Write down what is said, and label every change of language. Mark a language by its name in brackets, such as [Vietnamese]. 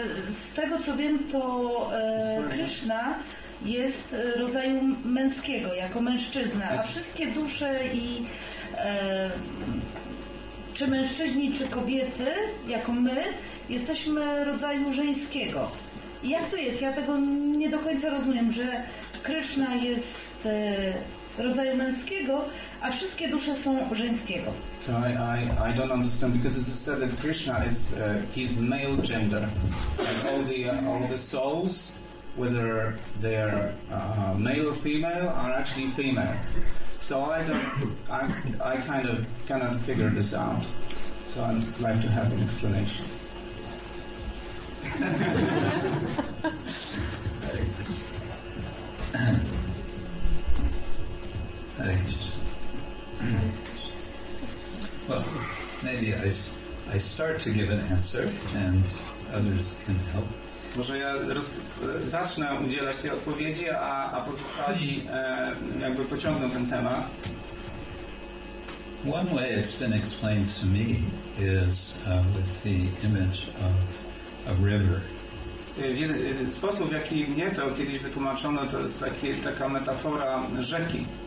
[Polish] Z tego co wiem, to Kryszna jest rodzaju męskiego, jako mężczyzna, a wszystkie dusze i czy mężczyźni, czy kobiety, jako my, jesteśmy rodzaju żeńskiego. I jak to jest? Ja tego nie do końca rozumiem, że Kryszna jest rodzaju męskiego, a wszystkie dusze są żeńskiego. [English] So I don't understand, because it's said that Krishna is his male gender. And all the souls, whether they're male or female, are actually female. So I kind of figure this out. So I'd like to have an explanation. Well, maybe I start to give an answer, and others can help. [Polish] Może ja zacznę udzielać tej odpowiedzi, a pozostali jakby pociągną ten temat. [English] One way it's been explained to me is with the image of a river. [Polish] Sposób, w jaki mnie to kiedyś wytłumaczono, to jest taka metafora rzeki.